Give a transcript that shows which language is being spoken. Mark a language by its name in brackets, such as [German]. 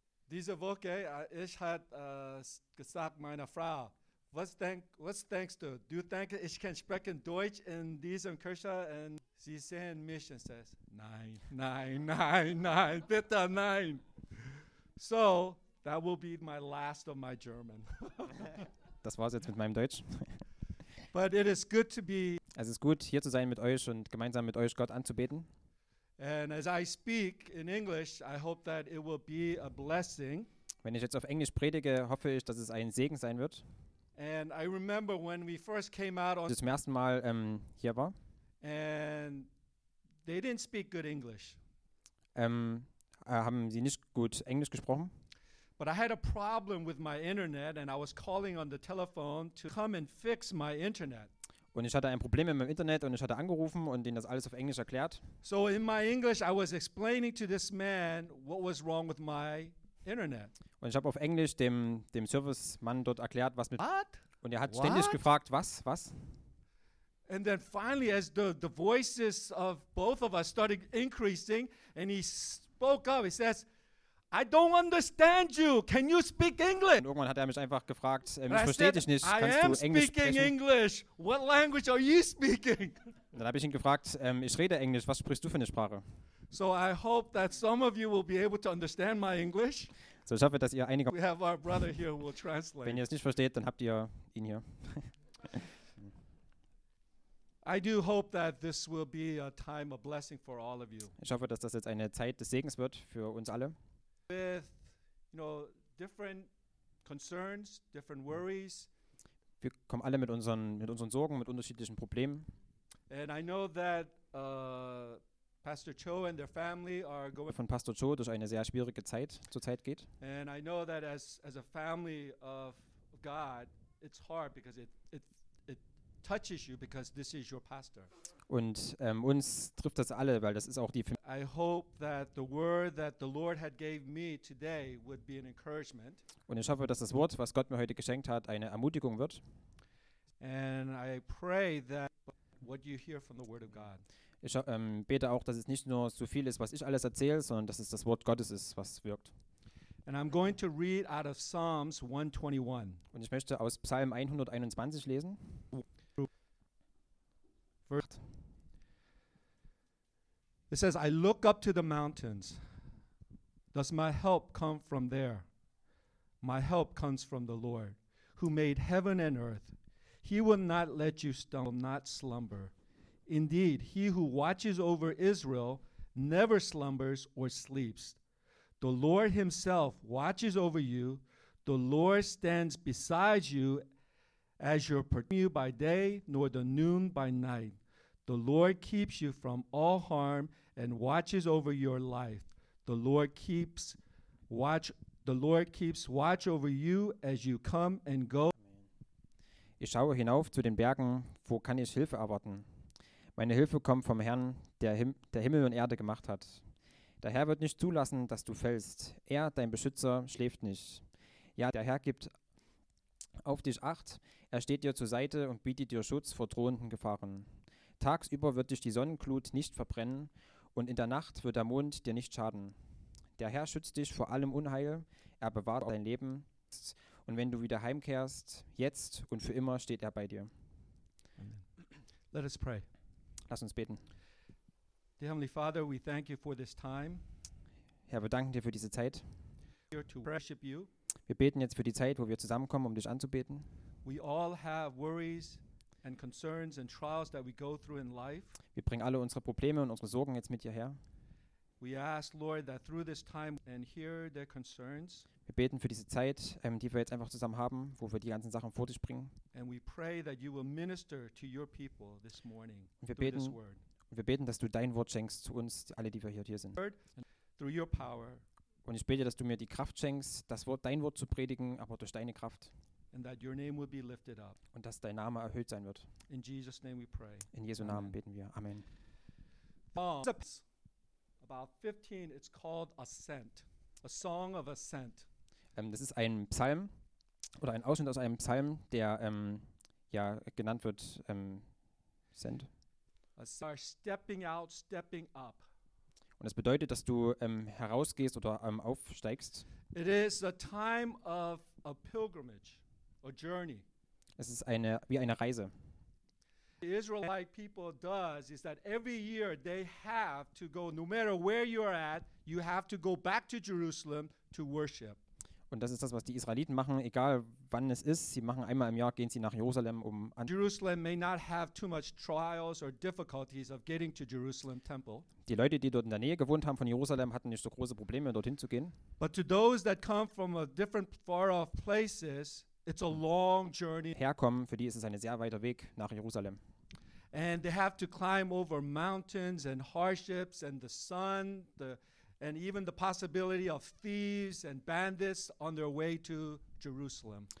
[German] Diese Woche, ich habe gesagt meiner Frau, was denkst du? Du denkst, ich kann sprechen Deutsch in diesem Kirche? Und sie sehen mich und sagt, nein, bitte nein. [English] So, that will be my last of my German. [German] Das war's jetzt mit meinem Deutsch. [English] But it is good to be. [German] Es ist gut, hier zu sein mit euch und gemeinsam mit euch Gott anzubeten. [English] And as I speak in English, I hope that it will be a blessing. [German] Wenn ich jetzt auf Englisch predige, hoffe ich, dass es ein Segen sein wird. [English] And I remember when we first came out on [German] zum ersten Mal hier war. [English] And they didn't speak good English. [German] Haben sie nicht gut Englisch gesprochen? [English] But I had a problem with my internet and I was calling on the telephone to come and fix my internet. [German] Und ich hatte ein Problem mit meinem Internet und ich hatte angerufen und denen das alles auf Englisch erklärt. [English] So in my English I was explaining to this man what was wrong with my internet. [German] Und ich habe auf Englisch dem Servicemann dort erklärt, was mit [English] what? [German] Und er hat ständig gefragt, was? [English] And then finally as the voices of both of us started increasing and he spoke up, he says, I don't understand you. Can you speak English? [German] Und irgendwann hat er mich einfach gefragt, mich versteht dich nicht, kannst du Englisch sprechen? [English] I am speaking English. What language are you speaking? [German] Und dann habe ich ihn gefragt, ich rede Englisch, was sprichst du für eine Sprache? [English] So I hope that some of you will be able to understand my English. [German] So ich hoffe, dass ihr einige. [English] We have our brother here who will translate. [German] Wenn ihr es nicht versteht, dann habt ihr ihn hier. [English] I do hope that this will be a time of blessing for all of you. [German] Ich hoffe, dass das jetzt eine Zeit des Segens wird für uns alle. [English] With, you know, different concerns, different worries. [German] Wir kommen alle mit unseren Sorgen, mit unterschiedlichen Problemen. [English] And I know that Pastor Cho and their family are going [German] von Pastor Cho durch eine sehr schwierige Zeit zurzeit geht. [English] And I know that as a family of God, it's hard because it touches you because this is your pastor. [German] Und uns trifft das alle, weil das ist auch die Familie. [English] I hope that the word that the Lord had gave me today would be an encouragement. [German] Und ich hoffe, dass das Wort, was Gott mir heute geschenkt hat, eine Ermutigung wird. [English] And I pray that what you hear from the word of God. [German] Ich bete auch, dass es nicht nur so viel ist, was ich alles erzähle, sondern dass es das Wort Gottes ist, was wirkt. [English] And I'm going to read out of Psalms 121. [German] Und ich möchte aus Psalm 121 lesen. [English] It says, I look up to the mountains. Does my help come from there? My help comes from the Lord, who made heaven and earth. He will not let you stumble, not slumber. Indeed, he who watches over Israel never slumbers or sleeps. The Lord himself watches over you. The Lord stands beside you as your protector by day, nor the noon by night. The Lord keeps you from all harm and watches over your life. The Lord keeps watch over you as you come and go. [German] Ich schaue hinauf zu den Bergen, wo kann ich Hilfe erwarten? Meine Hilfe kommt vom Herrn, der Himmel und Erde gemacht hat. Der Herr wird nicht zulassen, dass du fällst. Er, dein Beschützer, schläft nicht. Ja, der Herr gibt auf dich Acht. Er steht dir zur Seite und bietet dir Schutz vor drohenden Gefahren. Tagsüber wird dich die Sonnenglut nicht verbrennen und in der Nacht wird der Mond dir nicht schaden. Der Herr schützt dich vor allem Unheil, er bewahrt dein Leben und wenn du wieder heimkehrst, jetzt und für immer steht er bei dir. [English] Let us pray. [German] Lass uns beten. [English] Dear Heavenly Father, we thank you for this time. [German] Herr, wir danken dir für diese Zeit. [English] Here to worship you. [German] Wir beten jetzt für die Zeit, wo wir zusammenkommen, um dich anzubeten. [English] We all have worries. and concerns and trials that we go through in life. [German] Wir bringen alle unsere Probleme und unsere Sorgen jetzt mit hierher. [English] We ask, Lord, that through this time and hear their concerns. [German] Wir beten für diese Zeit, die wir jetzt einfach zusammen haben, wo wir die ganzen Sachen vor dich bringen. [English] And we pray that you will minister to your people this morning. [German] Und wir beten, [English] this word. [German] Und wir beten, dass du dein Wort schenkst zu uns, alle, die wir hier sind. [English] Through your power. [German] Und ich bete, dass du mir die Kraft schenkst, das Wort, dein Wort zu predigen, aber durch deine Kraft. [English] And that your name will be lifted up. [German] Und dass dein Name erhöht sein wird. [English] In Jesus' name we pray. [German] In Jesu Namen beten wir. Amen. [English] About 15, it's called Ascent, a song of ascent. [German] Das ist ein Psalm oder ein Ausschnitt aus einem Psalm, der genannt wird Ascent. [English] Stepping out, stepping up. [German] Und das bedeutet, dass du herausgehst oder aufsteigst. [English] It is a time of a pilgrimage, a journey. [German] Es ist eine wie eine Reise. [English] The Israelite people does is that every year they have to go, no matter where you are at, you have to go back to Jerusalem to worship. [German] Und das ist das, was die Israeliten machen, egal wann es ist. Sie machen einmal im Jahr, gehen sie nach Jerusalem, um [English] an Jerusalem may not have too much trials or difficulties of getting to Jerusalem temple. [German] Die Leute, die dort in der Nähe gewohnt haben von Jerusalem, hatten nicht so große Probleme, dorthin zu gehen. [English] But to those that come from a different far off places, it's a long journey. [German] Herkommen, für die ist es ein sehr weiter Weg nach Jerusalem. [English] And they have to climb over mountains and hardships and the sun, and even the possibility of thieves and bandits on their way to Jerusalem.